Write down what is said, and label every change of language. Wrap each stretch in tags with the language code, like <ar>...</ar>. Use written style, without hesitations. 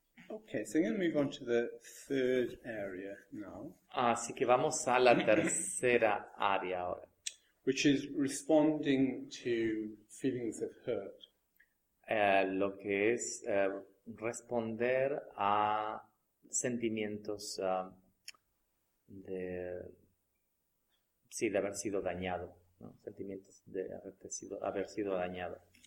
<en>Okay, so I'm going to move on to the third area now.</en> <es>Así que vamos a la tercera área ahora.</es> <en>Which is responding to feelings of hurt.</en> <es>Lo que es responder a sentimientos de haber sido dañado, ¿no? Sentimientos de haber sido dañado.</es>